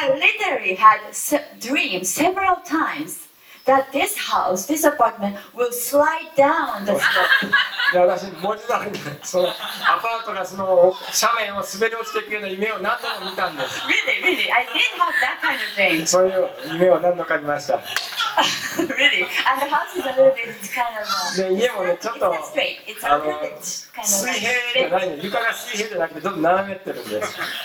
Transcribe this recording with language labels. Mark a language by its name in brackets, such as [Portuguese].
[English] けど、 I literally had dreamed several timesThat this house, this apartment will slide down the slope. [Japanese] 私文字だけでそのアパートがその斜面を滑り落ちていくような夢を何度も見たんです。 [English] Really, I did have that kind of dream. [Japanese] そういう夢を何度か見ました。 [English] Really, and the house is a little bit kind of. [Japanese] ね、家もねちょっと [English] it's straight. It's a little bit kind of [Japanese] 水平じゃないの、床が水平じゃなくてちょっと斜めってるんです。